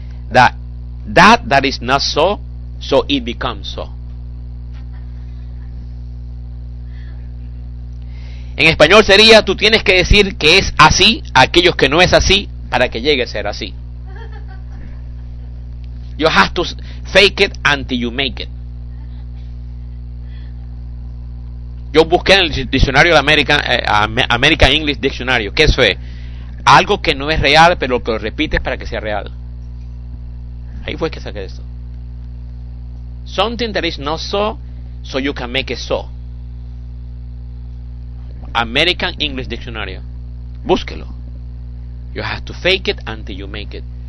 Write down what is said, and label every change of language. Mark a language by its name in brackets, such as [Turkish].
[English] That is not so. So it becomes so. [Spanish] En español sería: tú tienes que decir que es así a aquellos que no es así para que llegue a ser así. [English] You have to fake it until you make it. [Spanish] Yo busqué en el diccionario American English Dictionary. ¿Qué es fe? Algo que no es real, pero que lo repites para que sea real. Ahí fue que saqué esto. [English] Something that is not so, so you can make it so. American English Dictionary. [Spanish] Búsquelo. [English] You have to fake it until you make it.